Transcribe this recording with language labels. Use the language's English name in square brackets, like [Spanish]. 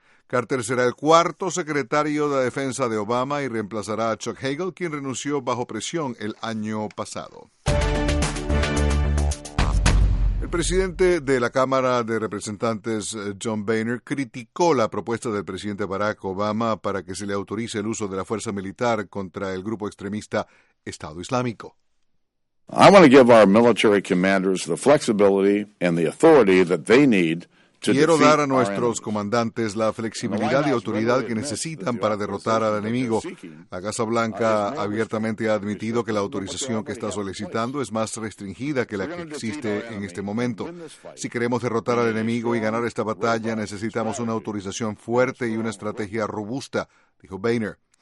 [Spanish] Carter será el cuarto secretario de Defensa de Obama y reemplazará a Chuck Hagel, quien renunció bajo presión el año pasado. El presidente de la Cámara de Representantes, John Boehner, criticó la propuesta del presidente Barack Obama para que se le autorice el uso de la fuerza militar contra el grupo extremista Estado Islámico. [English] I want to give our military commanders the flexibility and the authority that they need. [Spanish] Quiero dar a nuestros comandantes la flexibilidad y autoridad que necesitan para derrotar al enemigo. La Casa Blanca abiertamente ha admitido que la autorización que está solicitando es más restringida que la que existe en este momento. Si queremos derrotar al enemigo y ganar esta batalla, necesitamos una autorización fuerte y una estrategia robusta, dijo Boehner.